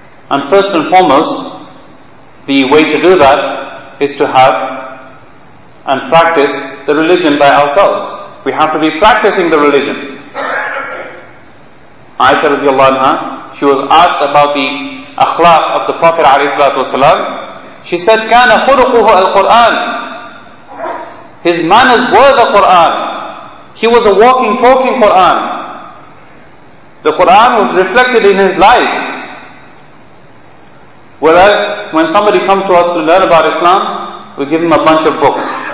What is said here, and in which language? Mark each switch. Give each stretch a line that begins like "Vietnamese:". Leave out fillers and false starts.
English: And first and foremost, the way to do that is to have and practice the religion by ourselves. We have to be practicing the religion. Aisha radiallahu anha, she was asked about the akhlaq of the Prophet alayhi salatu wasalam. She said,
Arabic: كَانَ خُلُقُهُ الْقُرْآنِ.
English: His manners were the Qur'an. He was a walking, talking Qur'an. The Qur'an was reflected in his life. Whereas, when somebody comes to us to learn about Islam, we give him a bunch of books.